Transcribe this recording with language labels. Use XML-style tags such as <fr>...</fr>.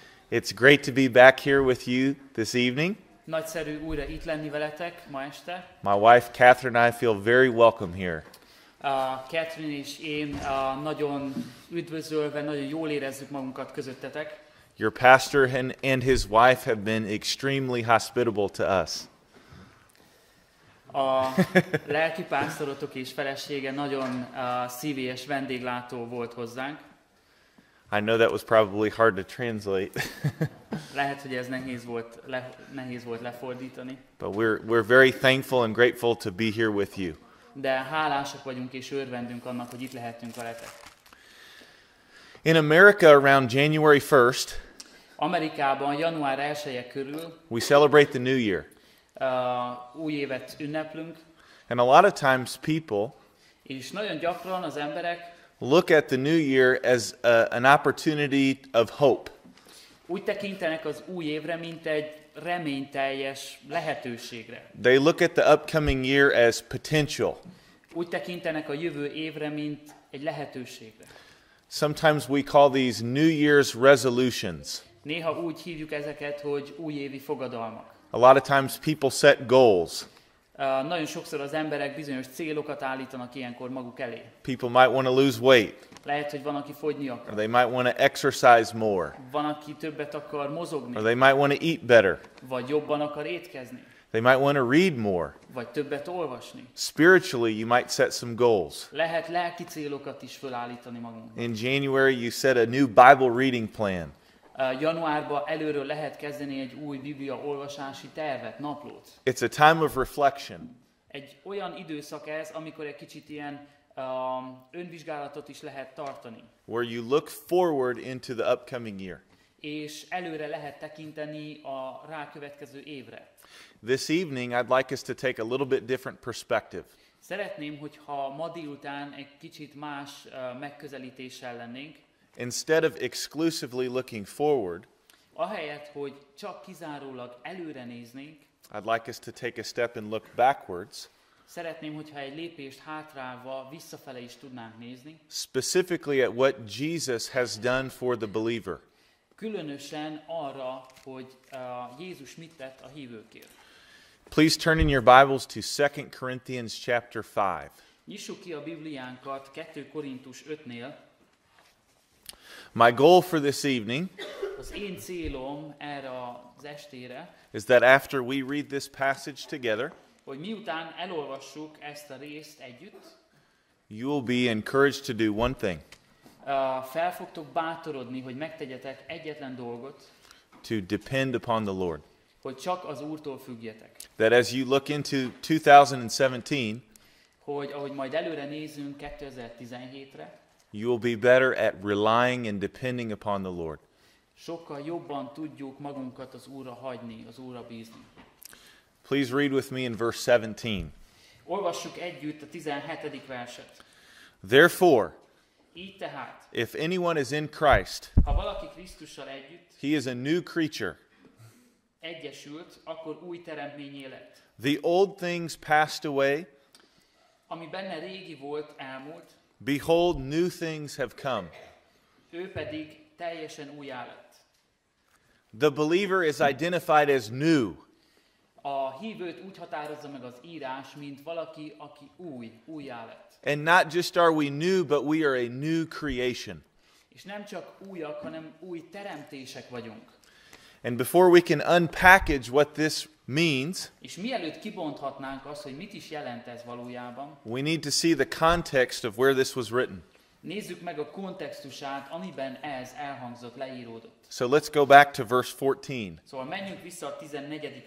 <en>It's great to be back here with you this evening.</en> <hu>Nagyszerű újra itt lenni veletek ma este.</hu> <en>My wife Catherine and I feel very welcome here.</en> <hu>Catherine és én nagyon üdvözölve, nagyon jól érezzük magunkat közöttetek.</hu> <en>Your pastor and his wife have been extremely hospitable to us.</en> <hu>A lelki pásztorotok és felesége nagyon szívélyes vendéglátó volt hozzánk.</hu> <en>I know that was probably hard to translate.</en> <hu>Lehet, hogy ez nehéz volt lefordítani.</hu> <en>But we're very thankful and grateful to be here with you.</en> <hu>De hálásak vagyunk és örvendünk annak, hogy itt lehetünk veletek.</hu> <en>In America around January 1st,</en> <hu>Amerikában január 1-je körül</hu> <en>we celebrate the new year.</en> <hu>Új évet ünneplünk.</hu> <en>And a lot of times people</en> <hu>és nagyon gyakran az emberek</hu> <en>look at the new year as an opportunity of hope.</en> <hu>Úgy tekintenek az új évre, mint egy reményteljes lehetőségre.</hu> <en>They look at the upcoming year as potential.</en> <hu>Úgy tekintenek a jövő évre, mint egy lehetőségre.</hu> <en>Sometimes we call these New Year's resolutions.</en> <hu>Néha úgy hívjuk ezeket, hogy újévi fogadalmak.</hu> <en>A lot of times people set goals.</en> <hu>Nagyon sokszor az emberek bizonyos célokat állítanak ilyenkor maguk elé.</hu> <en>People might want to lose weight.</en> <hu>Lehet, hogy van, aki fogyni akar.</hu> <en>Or they might want to exercise more.</en> <hu>Van, aki többet akar mozogni.</hu> <en>Or they might want to eat better.</en> <hu>Vagy jobban akar étkezni.</hu> <en>They might want to read more.</en> <hu>Vagy többet olvasni.</hu> <en>Spiritually, you might set some goals.</en> <hu>Lehet lelki célokat is felállítani magunknak.</hu> <en>In January, you set a new Bible reading plan.</en> <hu>Januárban előről lehet kezdeni egy új Biblia olvasási tervet, naplót.</hu> <en>It's a time of reflection.</en> <hu>Egy olyan időszak ez, amikor egy kicsit ilyen önvizsgálatot is lehet tartani.</hu> <en>Where you look forward into the upcoming year.</en> <hu>És előre lehet tekinteni a rákövetkező évre.</hu> <en>This evening I'd like us to take a little bit different perspective.</en> <hu>Szeretném, hogyha ma délután egy kicsit más megközelítéssel lennénk.</hu> <en>Instead of exclusively looking forward,</en> <hu>ahelyett, hogy csak kizárólag előre néznénk,</hu> <en>I'd like us to take a step and look backwards.</en> <hu>Szeretném, hogyha egy lépést hátrálva visszafele is tudnánk nézni.</hu> <en>Specifically at what Jesus has done for the believer.</en> <hu>Különösen arra, hogy Jézus mit tett a hívőkért.</hu> <en>Please turn in your Bibles to 2 Corinthians chapter 5.</en> <hu>Nyissuk ki a Bibliánkat 2 Korintus 5-nél.</hu> <en>My goal for this evening</en> <hu>az én célom erre az estére</hu> <en>is that after we read this passage together,</en> <hu>hogy miután elolvassuk ezt a részt együtt,</hu> <en>you will be encouraged to do one thing.</en> <hu>Fel fogtok bátorodni, hogy megtegyetek egyetlen dolgot,</hu> <en>to depend upon the Lord.</en> <hu>Hogy csak az Úrtól függjetek.</hu> <en>That as you look into 2017,</en> <hu>hogy ahogy majd előre nézünk 2017-re,</hu> <en>you will be better at relying and depending upon the Lord.</en> <hu>Sokkal jobban tudjuk magunkat az Úrra hagyni, az Úrra bízni.</hu> <en>Please read with me in verse 17.</en> <hu>Olvassuk együtt a 17. verset.</hu> <en>Therefore,</en> <hu>így tehát,</hu> <en>if anyone is in Christ,</en> <hu>ha valaki Krisztussal együtt,</hu> <en>he is a new creature.</en> <hu>Egyesült, akkor új teremtményé lett.</hu> <en>The old things passed away.</en> <hu>Ami benne régi volt, elmúlt.</hu> <en>Behold, new things have come.</en> <hu>Ő pedig teljesen újjá lett.</hu> <en>The believer is identified as new.</en> <hu>A hívőt úgy határozza meg az írás, mint valaki, aki új, újjá lett.</hu> <en>And not just are we new, but we are a new creation.</en> <hu>És nem csak újak, hanem új teremtések vagyunk.</hu> <en>And before we can unpackage what this means,</en> <hu>és mielőtt kibonthatnánk azt, hogy mit is jelent ez valójában,</hu> <en>we need to see the context of where this was written.</en> <hu>Nézzük meg a kontextusát, amiben ez elhangzott, leíródott.</hu> <en>So let's go back to verse 14.</en> <hu>Szóval menjünk vissza a 14.</hu>